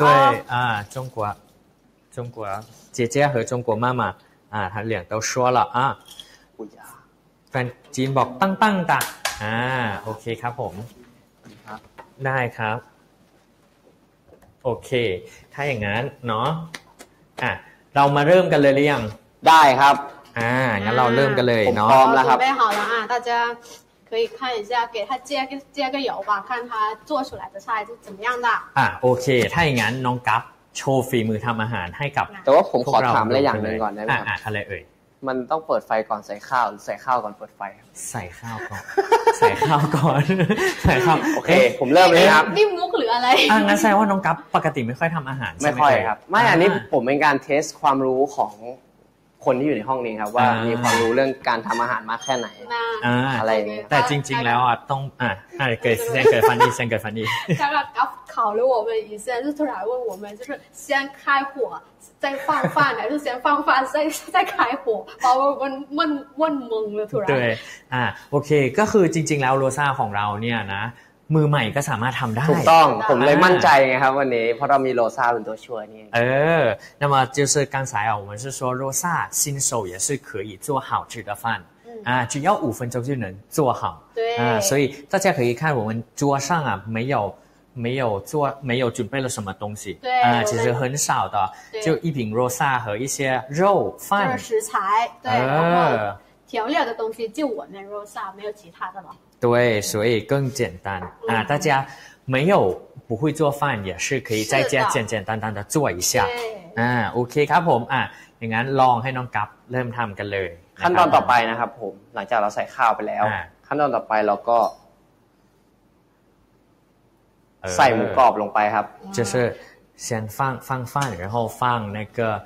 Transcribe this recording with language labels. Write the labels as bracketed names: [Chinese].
[Chinese] 对中国姐姐和中国妈妈他两都说了啊 [Thai] แฟนจีนบอกตั้งตั้งตาโอเคครับผมได้ครับโอเคถ้าอย่างนั้นเนาะเรามาเริ่มกันเลยหรือยัง ได้ครับ งั้นเราเริ่มกันเลยเนาะ พร้อมแล้วครับ [Chinese] 准备好了啊大家可以看一下给他接个油吧看他做出来的菜是怎么样的 [Thai] โอเคถ้าอย่างนั้นน้องกัฟโชว์ฝีมือทำอาหารให้กับ แต่ว่าผมขอถามอะไรอย่างนึงก่อนได้ไหมครับ อ ะไรเอ่ย มันต้องเปิดไฟก่อนใส่ข้าวใส่ข้าวก่อนเปิดไฟ ใส่ข้าวก่อนใส่ข้าวก่อนใส่ข้าว โอเคผมเริ่มเลยครับ นี่มุกหรืออะไร งั้นแสดงว่าน้องกัฟปกติไม่ค่อยทำอาหาร ไม่ค่อยครับไม่อันนี้ผมเป็นการเทสความรู้ของคนที่อยู่ในห้องนี้ครับว่ามีความรู้เรื่องการทำอาหารมากแค่ไหนอะไรนี้แต่จริงๆแล้วต้องเกิดฟันดีเกิดฟันดี [Chinese] 考虑我们一下，就突然问我们，就是先开火再放饭，还是先放饭再开火，把我问懵了，突然。 [Thai] 对，โอเค，ก็คือจริงๆแล้วโรซ่าของเราเนี่ยนะมือใหม่ก็สามารถทำได้ ถูกต้องผมเลยมั่นใจไงครับวันนี้เพราะเรามีโรซ่าเป็นตัวช่วยนี่ [Chinese] 那么就是刚才我们是说โรซ่า新手也是可以做好吃的饭。只要5分钟就能做好。对。所以大家可以看我们桌上啊没有。没有做没有准备了什么东西，对、其实很少的，就一瓶 rosa 和一些肉饭食材，对、调料的东西就我们 rosa 没有其他的了，对，所以更简单啊、大家没有不会做饭也是可以在家简简单单的做一下，OK [Thai] ครับผมอย่างนั้นลองให้น้องกัปเริ่มทำกันเลย ขั้นตอนต่อไปนะครับผมหลังจากเราใส่ข้าวไปแล้วขั้นตอนต่อไปเราก็ใส่หมูกรอบลงไปครับ [Chinese] 就是先放放饭然后放那个